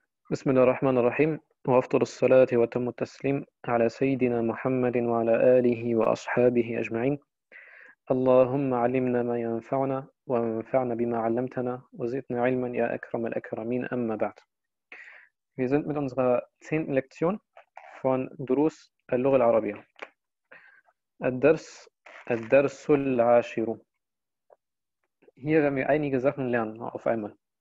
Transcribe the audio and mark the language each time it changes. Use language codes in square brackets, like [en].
[ar] بسم الله الرحمن الرحيم، وأفضل الصلاة وأتم التسليم على سيدنا محمد وعلى آله وأصحابه أجمعين. اللهم علمنا ما ينفعنا، وانفعنا بما علمتنا، وزدنا علما يا أكرم الأكرمين. أما بعد، [de] Wir sind mit unserer 10. Lektion von [ar] دروس اللغة العربية. الدرس العاشر. [de] Hier werden wir einige Sachen lernen auf einmal.